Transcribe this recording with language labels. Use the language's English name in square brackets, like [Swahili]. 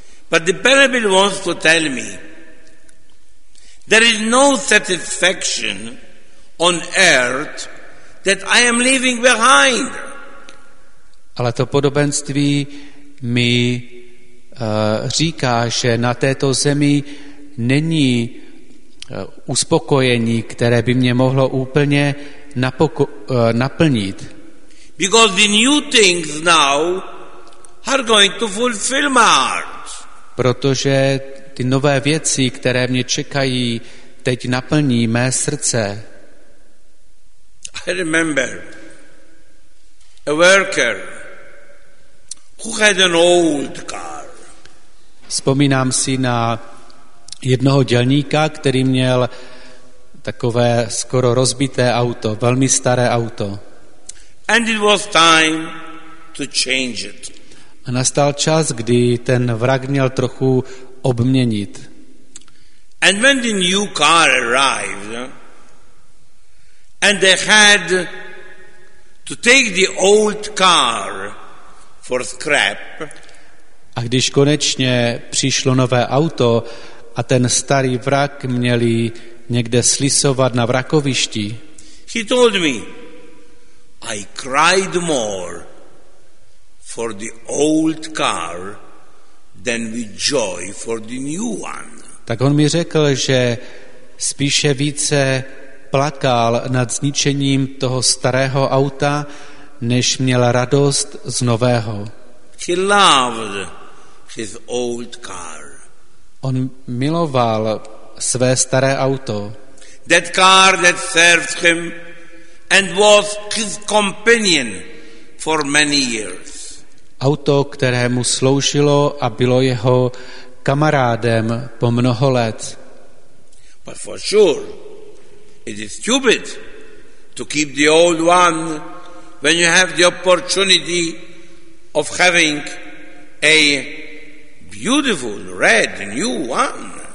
[English] But the parable wants to tell me there is no satisfaction on earth that I am leaving behind. [Czech] Ale to podobenství mi říká, že na této zemi není uspokojení, které by mě mohlo úplně naplnit. [English] Because the new things now are going to fulfill my heart. [Czech] Protože ty nové věci, které mě čekají, teď naplní mé srdce. [English] I remember a worker who had an old car. [Czech] Vzpomínám si na jednoho dělníka, který měl takové skoro rozbité auto, velmi staré auto. [English] And it was time to change it. [Czech] A nastal čas, kdy ten vrak měl trochu obměnit. [English] And when the new car arrived, and they had to take the old car for scrap. [Czech] A když konečně přišlo nové auto a ten starý vrak měli někde slisovat na vrakovišti. [English] He told me, I cried more for the old car than with joy for the new one. [Czech] Tak on mi řekl, že spíše více plakal nad zničením toho starého auta, než měl radost z nového. [English] He loved his old car. [Czech] On miloval své staré auto. [English] That car that served him and was his companion for many years. [Czech] Auto, které mu sloužilo a bylo jeho kamarádem po mnoho let. [English] But for sure, it is stupid to keep the old one when you have the opportunity of having a beautiful red new one.